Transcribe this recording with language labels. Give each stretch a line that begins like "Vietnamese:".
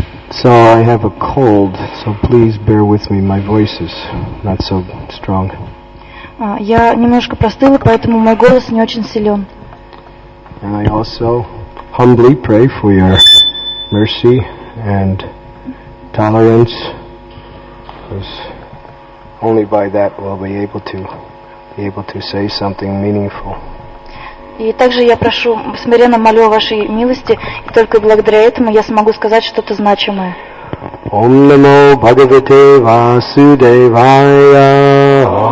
English: So I have a cold, so please bear with me. My voice is not so strong.
Russian: Я немножко простыла, поэтому мой голос не очень силен.
English: And I also humbly pray for your mercy and tolerance. Only by that will we be able to say something meaningful.
Russian: И также я прошу, смиренно молю о вашей милости, и только благодаря этому я смогу сказать что-то значимое.
Sanskrit: Ом намо Бхагавате Васудевая.